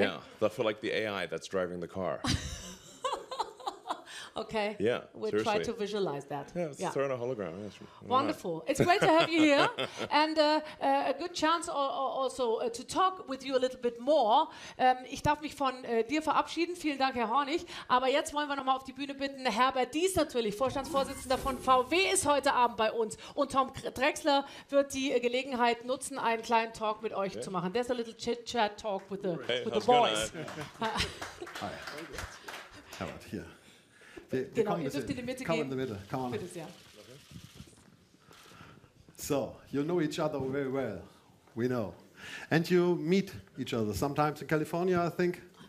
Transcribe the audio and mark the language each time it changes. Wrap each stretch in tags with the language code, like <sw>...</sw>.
<en>Yeah, but for like the AI that's driving the car. Okay. Yeah, we'll try to visualize that. Yeah, throw in a hologram. Wonderful. It's great to have you here. And a good chance also to talk with you a little bit more.</en> <de>Ich darf mich von dir verabschieden. Vielen Dank, Herr Hornig. Aber jetzt wollen wir nochmal auf die Bühne bitten. Herbert Dies natürlich, Vorstandsvorsitzender von VW, ist heute Abend bei uns. Und Tom Drexler wird die Gelegenheit nutzen, einen kleinen Talk mit euch zu machen.</de> <en>There's a little chit-chat-talk with the boys.</en> <de>Hi. Herbert, hier.</de> <en>Come in the middle. Come on. So you know each other very well, we know, and you meet each other sometimes in California, I think.</en>